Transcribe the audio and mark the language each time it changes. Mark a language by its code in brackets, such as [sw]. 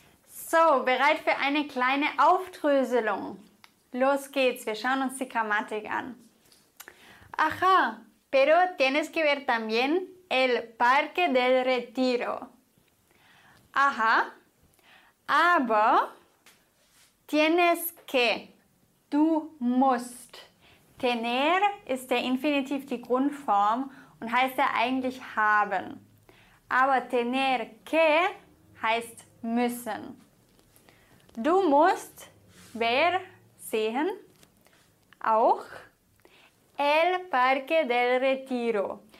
[de] So, bereit für eine kleine Aufdröselung. Los geht's, wir schauen uns die Grammatik an. [es] Ajá, pero tienes que ver también el Parque del Retiro. [de] Aha, aber [es] Tienes que. [de] Du musst. Tener ist der Infinitiv, die Grundform, und heißt ja eigentlich haben. Aber tener que heißt müssen. Du musst ver sehen, auch el Parque del Retiro.